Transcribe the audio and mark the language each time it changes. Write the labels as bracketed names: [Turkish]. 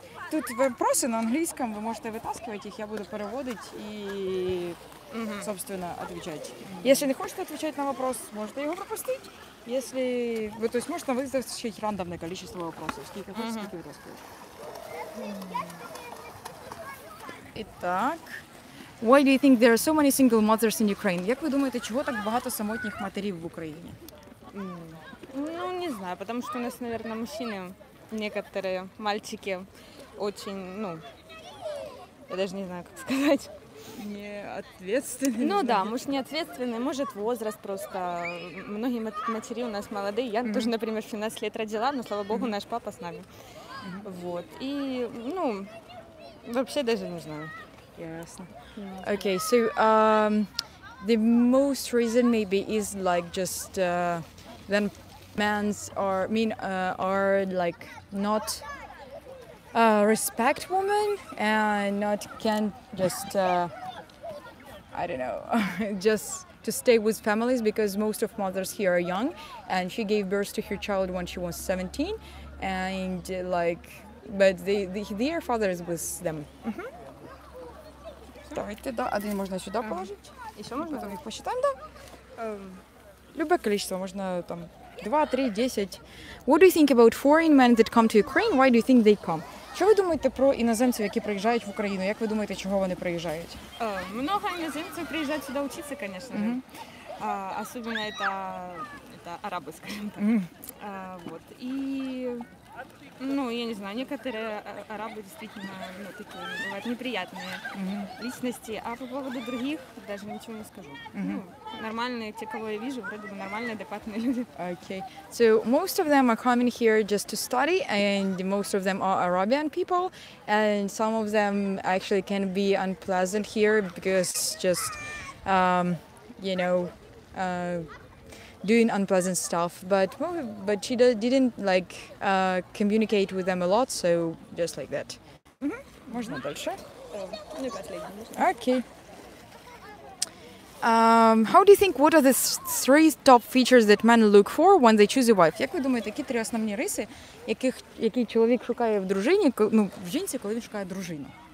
[Russian] Тут вопросы на английском, вы можете вытаскивать их, я буду переводить и, собственно, отвечать. Mm-hmm. Если не хочешь отвечать на вопрос, можете его пропустить. Если... Вы, то есть, можете вытаскивать рандомное количество вопросов. Сколько хочешь, сколько вытаскиваешь. Итак... [English] Why do you think there are so many single mothers in Ukraine? [Ukrainian] Як ви думаєте, чого так багато самотніх матерів в Україні? [Russian] Ну, не знаю, потому что у нас, наверное, мужчины, некоторые мальчики очень, ну, я даже не знаю, как сказать. Не ответственные. Ну да, муж не ответственный, может возраст просто. Многие матери у нас молодые. Я тоже, например, в 17 лет родила, но, слава богу, наш папа с нами. Вот, и, ну, вообще даже не знаю. Ясно. [English] Okay, so the most reason maybe is like just then men are like not respect women and not can just I don't know just to stay with families because most of mothers here are young and she gave birth to her child when she was 17 and like but their father is with them. [Ukrainian] Mm-hmm. Давайте, да, один можна сюди положити. І що можна? Потім їх посчитаємо, да? Любе количество, можна там 2, 3, 10. [English] What do you think about foreign men that come to Ukraine? Why do you think they come? [Ukrainian] Що ви думаєте про іноземців, які приїжджають в Україну? Як ви думаєте, чого вони приїжджають? Много іноземців приїжджають сюди вчитися, звісно. Особливо це араби, скажімо так. Вот. І [Russian] Ну, я не знаю, некоторые арабы действительно, ну, такие, бывают неприятные личности. А по поводу других даже ничего не скажу. Ну, нормальные, те, кого я вижу, вроде бы нормальные, адекватные люди. [English] Okay. So most of them are coming here just to study, and most of them are Arabian people, and some of them actually can be unpleasant here because just, you know, doing unpleasant stuff, but she didn't like communicate with them a lot, so just like that. [Russian] Можно дальше? [English] Okay. How do you think, what are the three top features that men look for when they choose a wife? [Ukrainian] Як ви думаєте, які три основні риси, які чоловік шукає в дружині, ну, в жінці, коли він шукає дружину?